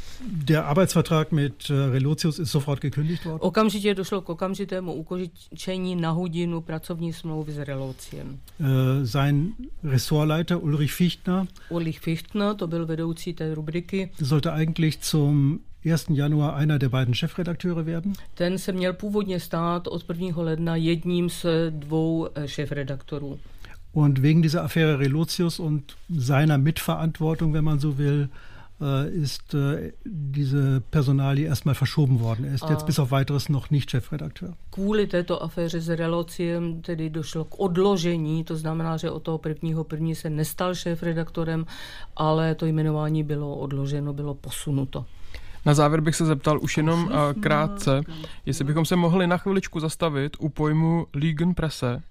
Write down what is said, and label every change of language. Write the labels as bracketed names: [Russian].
[German] Der Arbeitsvertrag mit Relotius ist sofort gekündigt worden. [Czech] Okamžitě došlo k okamžitému ukončení na hodinu pracovní smlouvy s Relotiem. [German] Sein Ressortleiter Ulrich Fichtner. [Czech] Ulrich Fichtner, to byl vedoucí té rubriky. [German] Sollte eigentlich zum 1. Januar einer der beiden Chefredakteure werden. [Czech] Ten se měl původně stát od 1. ledna jedním z dvou šéfredaktorů. [German] Und wegen dieser Affäre Relotius und seiner Mitverantwortung, wenn man so will, ist diese Personalie erstmal verschoben worden. Er ist jetzt bis auf weiteres noch nicht Chefredakteur. [Czech] Kvůli této aféře s Relociem tedy došlo k odložení, to znamená, že od toho 1. 1. Se nestal šéfredaktorem, ale to jmenování bylo odloženo, bylo posunuto. Na závěr bych se zeptal už jenom krátce, jestli bychom se mohli na chviličku zastavit u pojmu Lügenpresse.